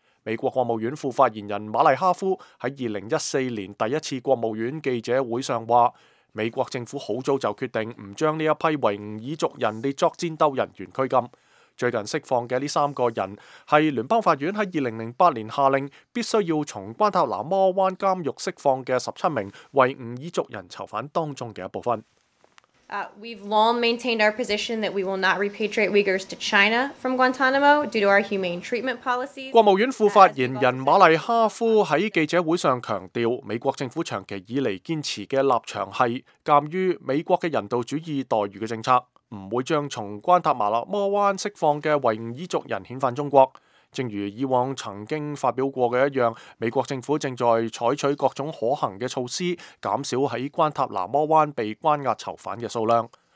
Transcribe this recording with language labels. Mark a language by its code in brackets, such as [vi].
[zh] 美国国务院副发言人马利哈夫在2014年第一次国务院记者会上说，美国政府很早就决定不将这一批维吾尔族人列作战斗人员拘禁。最近释放的这三个人是联邦法院在2008年下令必须要从关塔拿摩湾监狱释放的17名维吾尔族人囚犯当中的一部分。 [en] We've long maintained our position that we will not repatriate Uyghurs to China from Guantanamo due to our humane treatment policies. [zh] 国务院副发言人马利哈夫在记者会上强调，美国政府长期以来坚持的立场是鉴于美国的人道主义待遇的政策，不会将从关塔拿摩湾释放的维吾尔族人遣返中国。正如以往曾经发表过的一样，美国政府正在采取各种可行的措施减少在关塔拿摩湾被关押囚犯的数量。